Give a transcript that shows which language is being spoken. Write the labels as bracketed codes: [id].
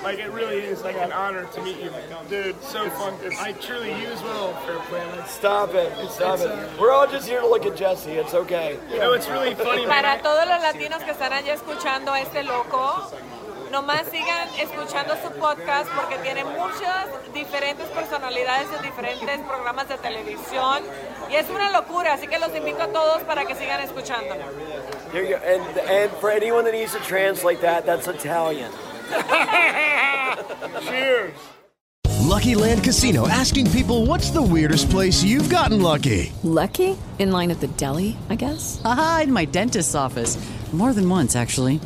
[en] Like, it really is like an honor to meet you. Dude, so fun. I truly use well Fairplay. Stop it. We're all just here to look at Jesse. It's okay. You know, it's really funny. [es] Para todos los latinos que están allá escuchando a este loco, nomás sigan escuchando su podcast porque tiene muchas diferentes personalidades de diferentes programas de televisión y es una locura, así que los invito a todos para que sigan escuchando. [en] There you go. And for anyone that needs to translate that, that's Italian. Cheers. Lucky Land Casino, asking people, what's the weirdest place you've gotten lucky? Lucky? In line at the deli, I guess? Aha, in my dentist's office. More than once, actually.